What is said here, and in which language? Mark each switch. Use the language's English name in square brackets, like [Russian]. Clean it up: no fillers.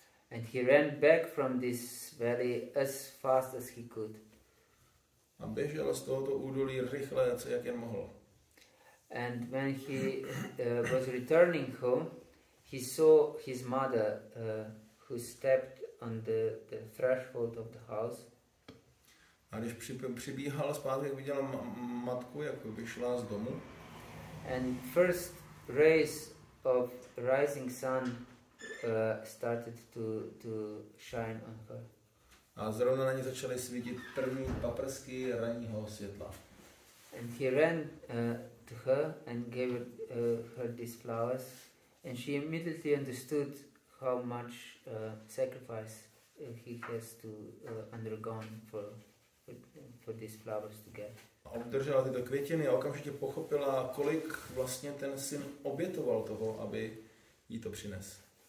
[English] And he ran back from this valley as fast as he could. [Czech] A běžel z tohoto údolí rychle, jak jen mohl. [English] And when he was returning home, he saw his mother who stepped on the threshold of the house. [Czech] A když přibíhal zpátky, viděl matku, jak vyšla z domu. [English] And first rays of rising sun started to shine on her. [Czech] A zrovna na ní začaly svítit první paprsky ranního světla. [English] And he ran to her and gave her these flowers, and she immediately understood how much sacrifice he has to undergone for these flowers to get. [Czech] Obdržela tyto květiny a okamžitě pochopila, kolik vlastně ten syn obětoval toho, aby jí to přines.